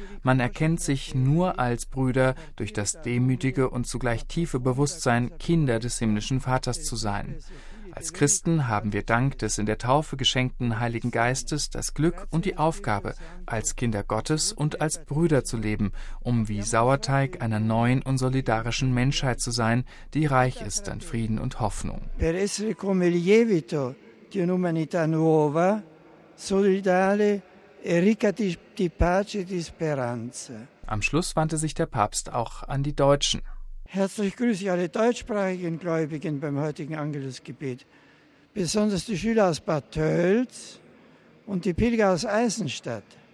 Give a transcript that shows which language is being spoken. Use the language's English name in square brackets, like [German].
[German] Man erkennt sich nur als Brüder durch das demütige und zugleich tiefe Bewusstsein, Kinder des himmlischen Vaters zu sein. Als Christen haben wir dank des in der Taufe geschenkten Heiligen Geistes das Glück und die Aufgabe, als Kinder Gottes und als Brüder zu leben, um wie Sauerteig einer neuen und solidarischen Menschheit zu sein, die reich ist an Frieden und Hoffnung. [Italian] Per essere come lievito di un'umanità nuova, solidale e ricca di pace e di speranza. [German] Am Schluss wandte sich der Papst auch an die Deutschen. Herzlich grüße ich alle deutschsprachigen Gläubigen beim heutigen Angelusgebet, besonders die Schüler aus Bad Tölz und die Pilger aus Eisenstadt.